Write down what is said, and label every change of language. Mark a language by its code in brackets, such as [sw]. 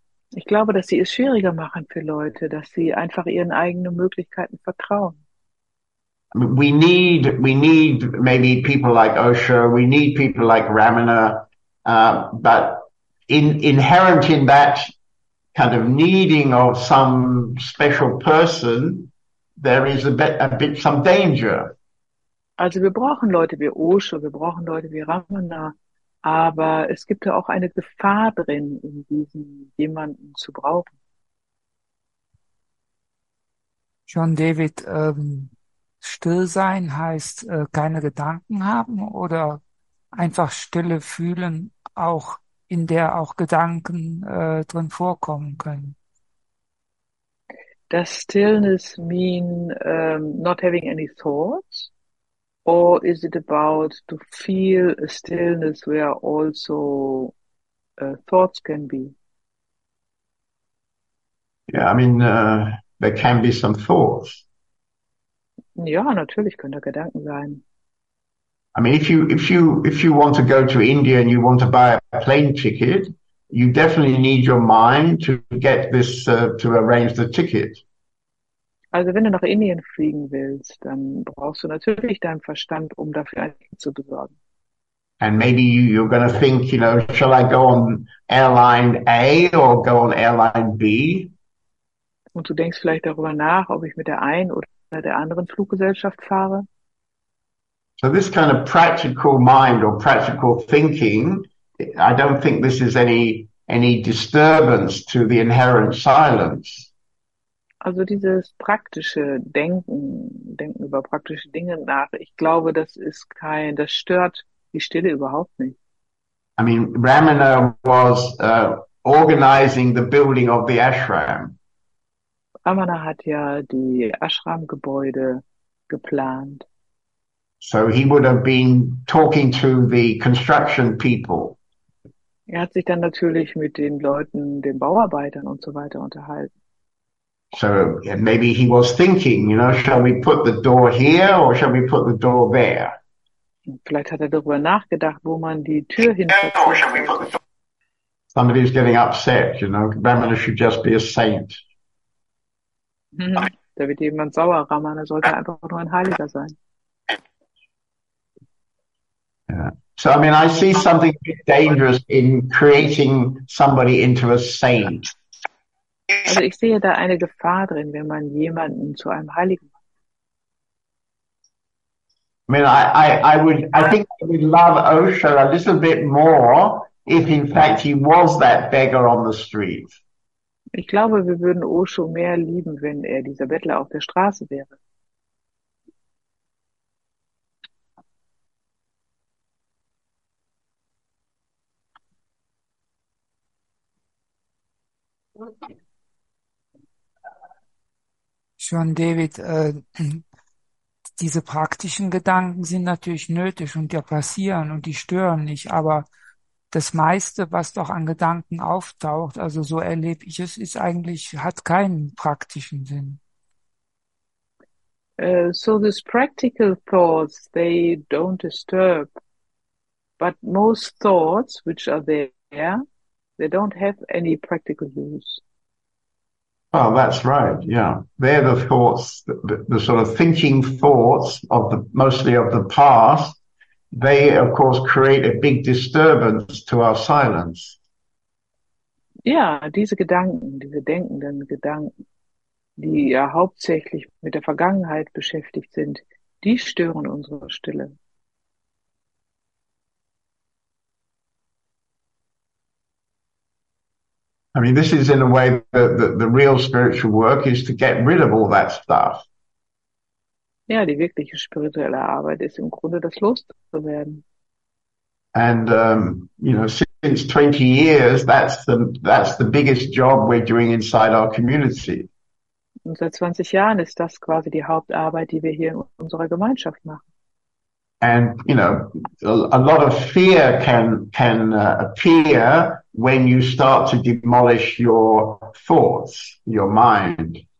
[de] Ich glaube, dass sie es schwieriger machen für Leute, dass sie einfach ihren eigenen Möglichkeiten vertrauen. [en] We need maybe people like Osho, we need people like Ramana, but inherent in that kind of needing of some special person, there is a bit some danger. [de] Also wir brauchen Leute wie Osho, wir brauchen Leute wie Ramana, aber es gibt ja auch eine Gefahr drin, in diesen jemanden zu brauchen. John David, still sein heißt keine Gedanken haben oder einfach Stille fühlen, auch in der auch Gedanken drin vorkommen können. [en] Does stillness mean not having any thoughts? Or is it about to feel a stillness where also thoughts can be? Yeah, I mean, there can be some thoughts. [de] Ja, natürlich können da Gedanken sein. [en] I mean, if you want to go to India and you want to buy a plane ticket, you definitely need your mind to get this, to arrange the ticket. [de] Also wenn du nach Indien fliegen willst, dann brauchst du natürlich deinen Verstand, um dafür ein Ticket zu besorgen. [en] And maybe you're going to think, you know, shall I go on airline A or go on airline B? [de] Und du denkst vielleicht darüber nach, ob ich mit der einen oder der anderen Fluggesellschaft fahre. [en] So this kind of practical mind or practical thinking, I don't think this is any disturbance to the inherent silence. [de] Also dieses praktische Denken über praktische Dinge nach, ich glaube, das stört die Stille überhaupt nicht. [en] I mean, Ramana was organizing the building of the ashram. [de] Ramana hat ja die Ashram-Gebäude geplant. [en] So he would have been talking to the construction people. [de] Er hat sich dann natürlich mit den Leuten, den Bauarbeitern und so weiter unterhalten. [en] So maybe he was thinking, you know, shall we put the door here or shall we put the door there? [de] Vielleicht hat er darüber nachgedacht, wo man die Tür hinsetzt. [en] Somebody is getting upset, you know, Ramana should just be a saint. [de] Da wird jemand sauer, Ramana sollte einfach nur ein Heiliger sein. [en] Yeah. So I mean, I see something dangerous in creating somebody into a saint. [de] Also ich sehe da eine Gefahr drin, wenn man jemanden zu einem Heiligen macht. [en] I mean, I think I would love Osho a little bit more if in fact he was that beggar on the street. [de] Ich glaube, wir würden Osho mehr lieben, wenn er dieser Bettler auf der Straße wäre. John David, diese praktischen Gedanken sind natürlich nötig und die passieren und die stören nicht, aber das meiste, was doch an Gedanken auftaucht, also so erlebe ich es, ist eigentlich, hat keinen praktischen Sinn. [en] So these practical thoughts, they don't disturb, but most thoughts, which are there, they don't have any practical use. Well, that's right, yeah. They're the thoughts, the sort of thinking thoughts of the mostly of the past. They, of course, create a big disturbance to our silence. [de] Yeah, diese Gedanken, diese denkenden Gedanken, die ja hauptsächlich mit der Vergangenheit beschäftigt sind, die stören unsere Stille. [en] I mean, this is in a way the real spiritual work is to get rid of all that stuff. [de] Ja, die wirkliche spirituelle Arbeit ist im Grunde das loszuwerden. [en] And you know, since 20 years, that's the biggest job we're doing inside our community. [de] Und seit 20 Jahren ist das quasi die Hauptarbeit, die wir hier in unserer Gemeinschaft machen. [en] And, you know, a lot of fear can appear when you start to demolish your thoughts, your mind.